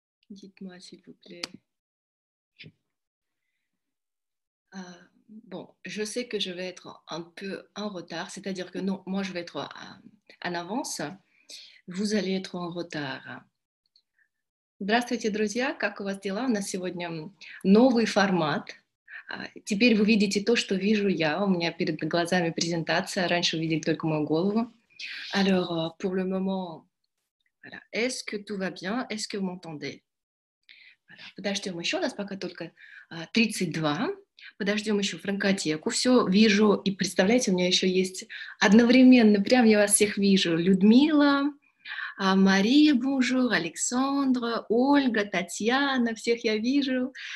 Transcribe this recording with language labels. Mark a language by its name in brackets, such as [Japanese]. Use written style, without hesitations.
[French] Dites-moi, s'il vous plaît. Bon, je sais que je vais être un peu en retard, c'est-à-dire que non, moi je vais être en avance. Vous allez être en retard. [Russian] Здравствуйте, друзья! Как у вас дела? У нас сегодня новый формат. Теперь вы видите то, что вижу я. У меня перед глазами презентация. Раньше вы видели только мою голову. [French] Alors, pour le moment, voilà. Est-ce que tout va bien? Est-ce que vous m'entendez? Voilà. [Russian] Подождем еще, у нас пока только 32. Подождем еще франкотеку. Все вижу, и представляете, у меня еще есть одновременно, прям я вас всех вижу. Людмила, Мария, бонжур, Александра, Ольга, Татьяна, всех я вижу.